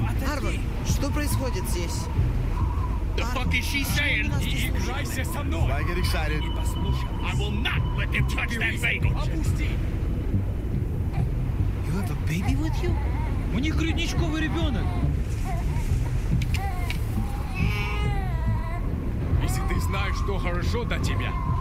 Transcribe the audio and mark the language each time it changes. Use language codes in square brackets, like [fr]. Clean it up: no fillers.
[ru] Arvo, что происходит здесь? [en] The fuck is she saying? Why get excited? I will not let them touch that baby. You have a baby with you? [ru] У них грудничковый ребенок. Если ты знаешь, что хорошо для тебя.